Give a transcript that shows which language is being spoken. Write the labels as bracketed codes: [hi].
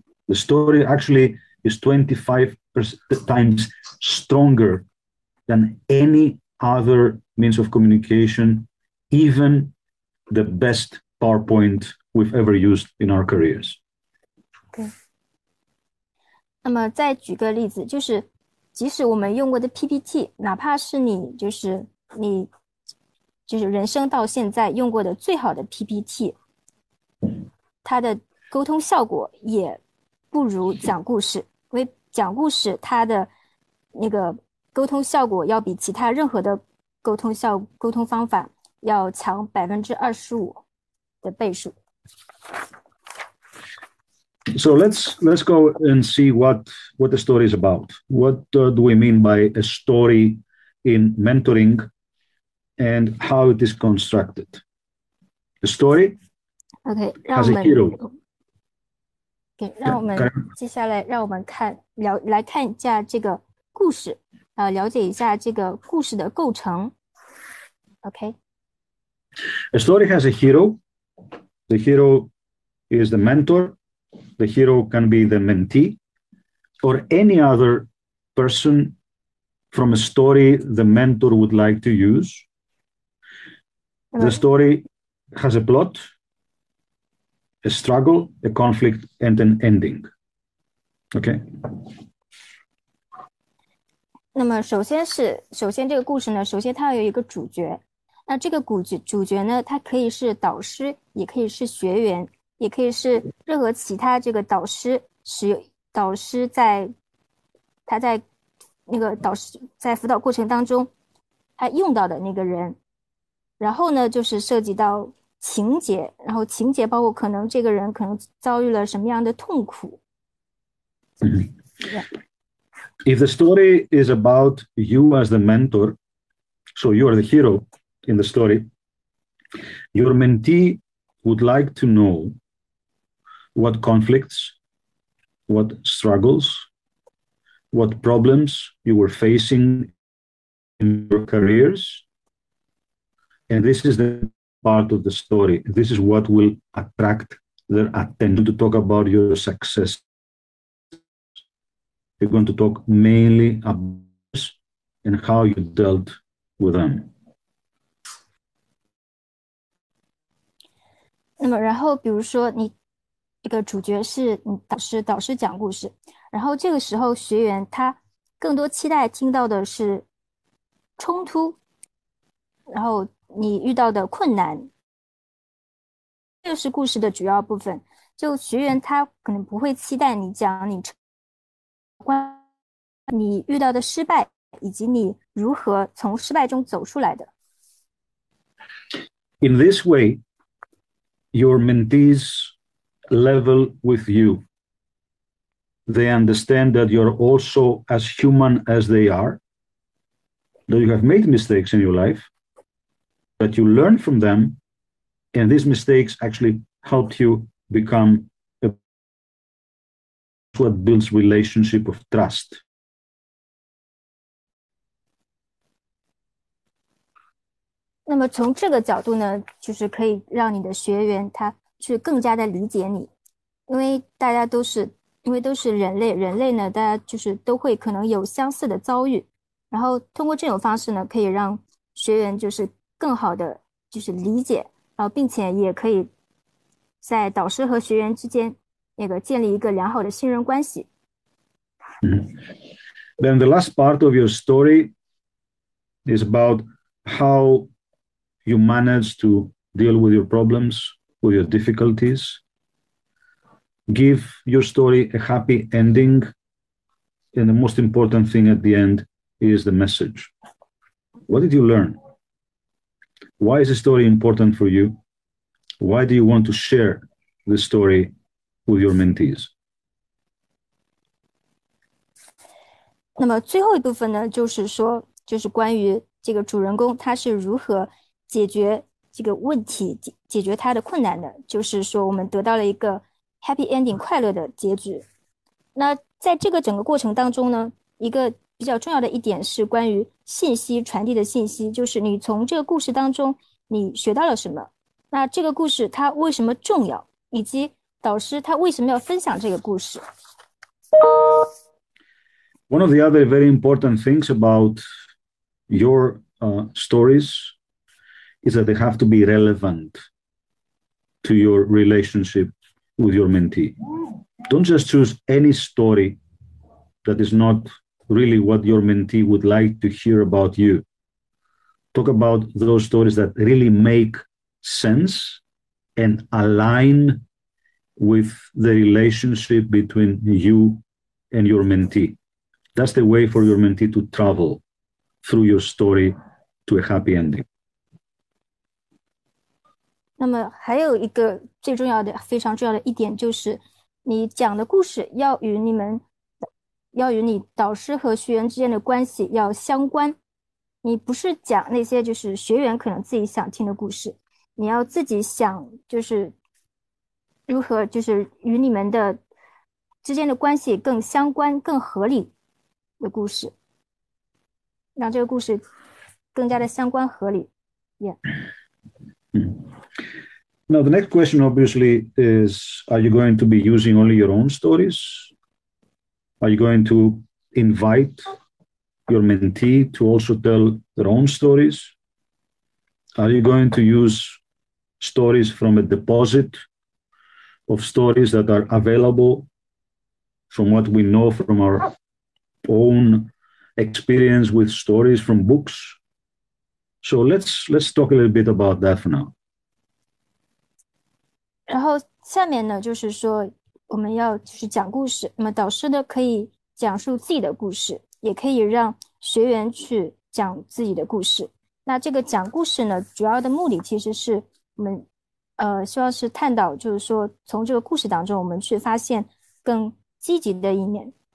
[en] The story actually is 25% times stronger than any other means of communication, even the best PowerPoint we've ever used in our careers. Okay. [zh] 那么再举个例子，就是即使我们用过的 PPT，哪怕是你就是人生到现在用过的最好的 PPT，它的沟通效果也不如讲故事，因为讲故事它的那个沟通效果要比其他任何的沟通方法要强25%的倍数。 [en] So let's go and see what the story is about. What do we mean by a story in mentoring and how it is constructed? A story OK， has a hero. [zh] 让我们接下来，让我们看了来看一下这个故事，了解一下这个故事的构成。 [en] OK。 A story has a hero. The hero is the mentor. The hero can be the mentee or any other person from a story the mentor would like to use. [zh] 那么。 [en] The story has a plot, a struggle, a conflict, and an ending. Okay. [zh] 那么首先这个故事呢，首先它有一个主角，那这个主角呢，它可以是导师，也可以是学员，也可以是任何其他这个导师使用，导师在他在那个导师在辅导过程当中，他用到的那个人，然后呢，就是涉及到情节，然后情节包括可能这个人可能遭遇了什么样的痛苦，对。 [en] If the story is about you as the mentor, so you are the hero in the story, your mentee would like to know what conflicts, what struggles, what problems you were facing in your careers. And this is the part of the story. This is what will attract their attention to talk about your success. We're going to talk mainly about this and how you dealt with them. [zh] 那么，然后比如说你这个主角是你导师讲故事，然后这个时候学员他更多期待听到的是冲突，然后你遇到的困难，这是故事的主要部分。就学员他可能不会期待你讲你成关你遇到的失败，以及你如何从失败中走出来的。 [en] In this way, your mentees level with you. They understand that you're also as human as they are, that you have made mistakes in your life, that you learn from them, and these mistakes actually helped you become what builds relationship of trust. [zh] 那么从这个角度呢，就是可以让你的学员他去更加的理解你，因为大家都是，因为都是人类，人类呢，大家就是都会可能有相似的遭遇，然后通过这种方式呢，可以让学员就是更好的就是理解，然后并且也可以在导师和学员之间那个建立一个良好的信任关系。 [en] Then the last part of your story is about how you manage to deal with your problems, with your difficulties, give your story a happy ending, and the most important thing at the end is the message. What did you learn? Why is the story important for you? Why do you want to share the story with your mentees? [zh] 那么最后一部分呢，就是说，就是关于这个主人公他是如何解决这个问题，解决他的困难的，就是说我们得到了一个 [en] happy ending [zh] 快乐的结局。那在这个整个过程当中呢，一个比较重要的一点是关于信息传递的信息，就是你从这个故事当中你学到了什么，那这个故事它为什么重要，以及导师他为什么要分享这个故事。 [en] One of the other very important things about your stories is that they have to be relevant to your relationship with your mentee. Don't just choose any story that is not really what your mentee would like to hear about you. Talk about those stories that really make sense and align with the relationship between you and your mentee. That's the way for your mentee to travel through your story to a happy ending. [zh] 那么还有一个最重要的、非常重要的一点就是，你讲的故事要与你们，要与你导师和学员之间的关系要相关。你不是讲那些就是学员可能自己想听的故事，你要自己想就是如何就是与你们的之间的关系更相关、更合理的故事，让这个故事更加的相关合理。 [en] Now, the next question obviously is, are you going to be using only your own stories? Are you going to invite your mentee to also tell their own stories? Are you going to use stories from a deposit of stories that are available from what we know from our own experience with stories from books. So let's talk a little bit about that for now. [zh] 然后下面呢，就是说我们要就是讲故事。那么导师呢，可以讲述自己的故事，也可以让学员去讲自己的故事。那这个讲故事呢，主要的目的其实是我们希望是探讨，就是说从这个故事当中，我们去发现更积极的一面。